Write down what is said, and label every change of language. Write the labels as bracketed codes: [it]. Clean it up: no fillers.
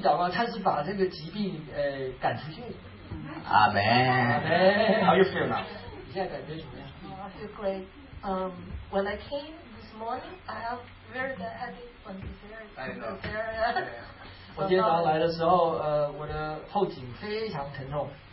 [zh] 他不是为病人，他不是为病祷告，他是把这个疾病赶出去。Amen. [en] Amen. How you feel now? [zh] 你现在感觉怎么样？ [en] Oh, I feel great. When I came this morning, I have very bad headache from this area. I know. Yeah. [zh] 我今天早上来的时候，我的后颈非常疼痛。